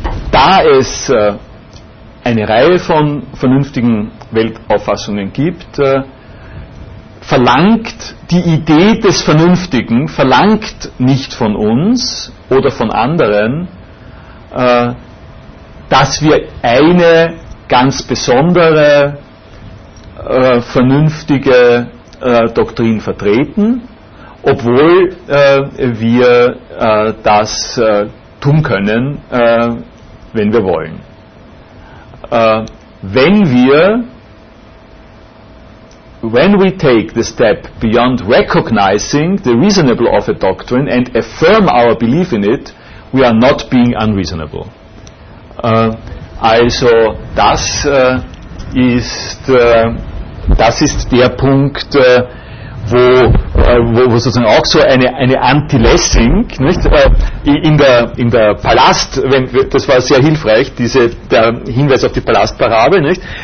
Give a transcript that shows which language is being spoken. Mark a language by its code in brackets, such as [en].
[de] Da es eine Reihe von vernünftigen Weltauffassungen gibt, verlangt die Idee des Vernünftigen, verlangt nicht von uns oder von anderen, dass wir eine ganz besondere vernünftige Doktrin vertreten, obwohl wir das tun können, wenn wir wollen. Wenn wir, [en] when we take the step beyond recognizing the reasonable of a doctrine and affirm our belief in it, we are not being unreasonable. [de] Also das ist das ist der Punkt, wo sozusagen auch so eine Anti-Lessing, nicht? In der Palast, wenn, das war sehr hilfreich, der Hinweis auf die Palastparabel, nicht?